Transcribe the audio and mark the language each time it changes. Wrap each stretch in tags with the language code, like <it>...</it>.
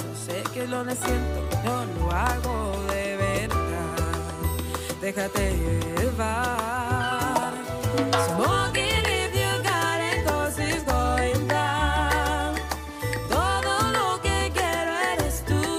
<es>Siento, no lo hago de verdad. Déjate llevar.</es> <en>Smoking if you got it, cause it's going down.</en> <es>Todo lo que quiero eres tú.</es>